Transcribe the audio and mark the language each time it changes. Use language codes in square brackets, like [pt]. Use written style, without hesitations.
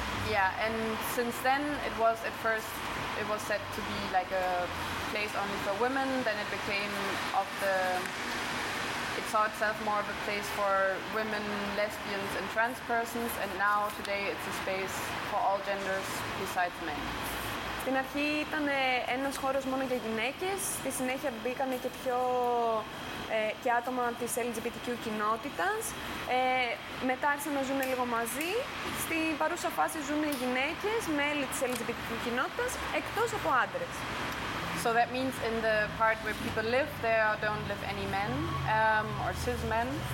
[en] Yeah, and since then it was at first it was said to be like a place only for women, then it became of the it saw itself more of a place for women, lesbians and trans persons, and now today it's a space for all genders besides men. [el] Στην αρχή ήταν ένας χώρος μόνο για γυναίκες, στη συνέχεια μπήκανε και πιο και άτομα της LGBTQ κοινότητας. Μετά άρχισαν να ζουν λίγο μαζί. Στην παρούσα φάση ζουν οι γυναίκες, μέλη της LGBTQ κοινότητας, εκτός από άντρες. [en] So that means in the part where people live, there don't live any men or cis men.